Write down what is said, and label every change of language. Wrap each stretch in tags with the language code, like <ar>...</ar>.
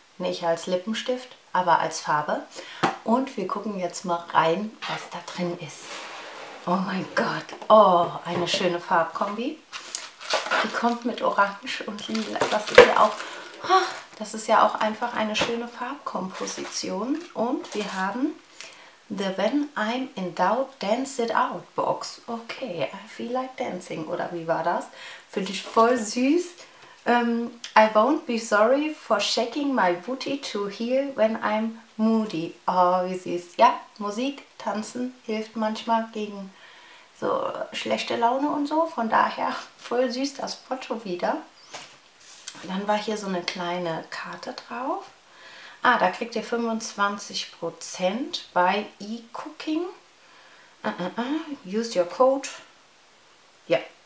<de>Nicht als Lippenstift, aber als Farbe. Und wir gucken jetzt mal rein, was da drin ist. Oh mein Gott. Oh, eine schöne Farbkombi. Die kommt mit Orange und Lila. Das ist ja auch, oh, das ist ja auch einfach eine schöne Farbkomposition. Und wir haben The When I'm in Doubt, Dance It Out Box. Okay,</de> <en>I feel like dancing.</en> <de>Oder wie war das? Finde ich voll süß.</de> <en>I won't be sorry for shaking my booty to heal when I'm moody.</en> <de>Oh, wie süß. Ja, Musik, Tanzen hilft manchmal gegen so schlechte Laune und so. Von daher voll süß das Foto wieder. Dann war hier so eine kleine Karte drauf. Ah, da kriegt ihr 25% bei eCooking.</de> <en>Use your code.</en> <de>Ja.</de>